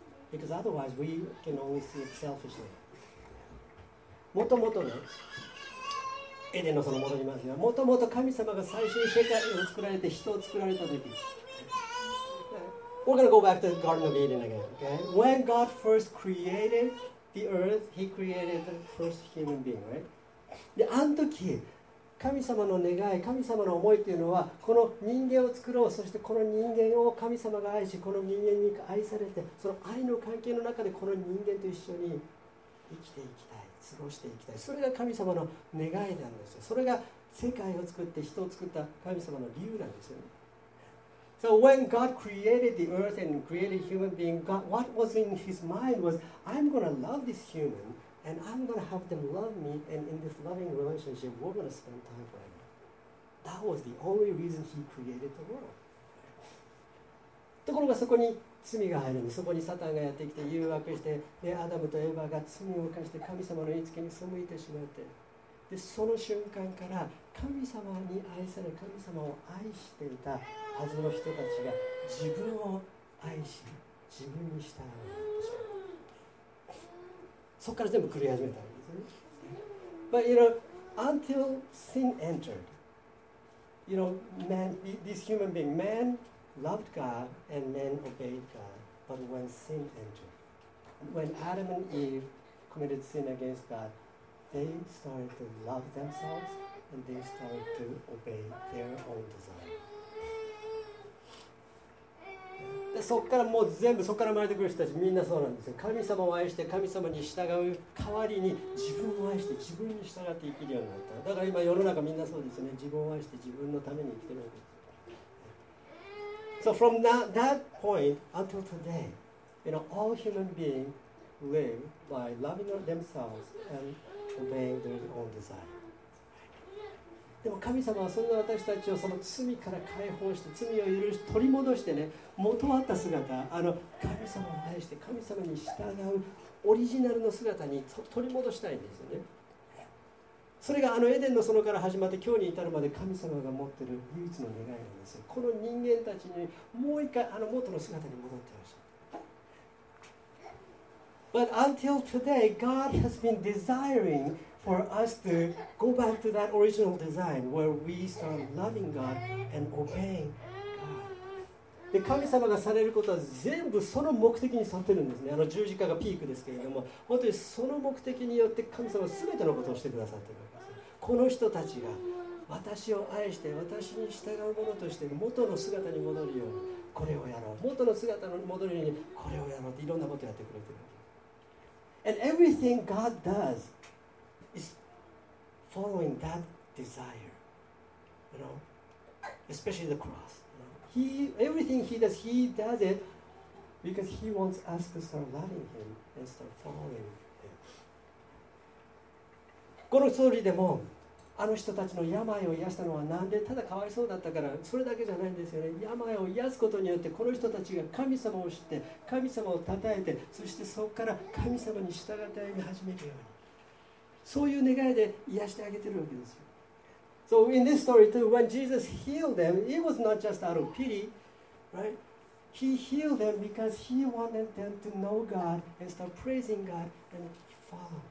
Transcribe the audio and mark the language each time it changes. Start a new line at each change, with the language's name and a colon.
English: Because otherwise we can only see it selfishly.
Japanese: もともとね、エデンの園戻りますよ。もともと神様が最初に世界を作られて人を作られた時。
English: We're gonna go back to the Garden of Eden again. Okay? When God first created the earth, He created the first human being, right?
Japanese: で、あの時、神様の願い、神様の思いというのは、この人間を作ろう、そしてこの人間を神様が愛し、この人間に愛されて、その愛の関係の中でこの人間と一緒に生きていきたい、過ごしていきたい、それが神様の願いなんですよ。それが世界を作って人を作った神様の理由なんですよ。
English: So when God created the earth and created human being, God, what was in his mind was, I'm going to love this human. And I'm gonna have them love me, and in this loving relationship, we're gonna spend time forever. That was the only reason he created the world.
Japanese: ところがそこに罪が入るんです。そこにサタンがやってきて誘惑して、で、アダムとエヴァが罪を犯して神様の言いつけに背いてしまって、で、その瞬間から神様に愛され、神様を愛していたはずの人たちが自分を愛し、自分に従うようになってしまう。そこから全部狂い始めたんですね。
English: But you know, until sin entered, you know, man, this human being, man loved God and man obeyed God. But when sin entered, when Adam and Eve committed sin against God, they started to love themselves and they started to obey their own desire.
Japanese: でそこからもう全部、そこから生まれてくる人たちみんなそうなんですよ。神様を愛して神様に従う代わりに自分を愛して自分に従って生きるようになった。だから今世の中みんなそうですね。自分を愛して自分のために生きてるわけです。 So from that point until today, you know, all human beings live by loving themselves and obeying their own desire. でも神様はそんな私たちをその罪から解放して、罪を許し、取り戻してね、元あった姿、あの神様を愛して神様に従うオリジナルの姿に取り戻したいんですよね。それがあのエデンの園から始まって今日に至るまで神様が持っている唯一の願いなんですよ。この人間たちにもう一回あの元の姿に戻ってほしい。
English: But until today, God has been desiring for us to go back to that original design where we start loving God and obeying God.
Japanese: 神様がされることは全部その目的に沿ってるんですね。あの十字架がピークですけれども、本当にその目的によって神様は全てのことをしてくださっているんです。この人たちが私を愛して私に従う者として元の姿に戻るようにこれをやろう、元の姿に戻るようにこれをやろうっていろんなことをやってくれている。
English: And everything God does is following that desire, you know, especially the cross. You know? Everything he does it because he wants us to start loving him and start following him.
Japanese: このストーリーでも、あの人たちの病を癒したのはなんでただかわいそうだったから、それだけじゃないんですよね。病を癒すことによってこの人たちが神様を知って神様を讃えて、そしてそこから神様に従って歩み始めるように、そういう願いで癒してあげてるわけですよ。
English: So in this story too, when Jesus healed them, it was not just out of pity, right? He healed them because he wanted them to know God and start praising God and follow God.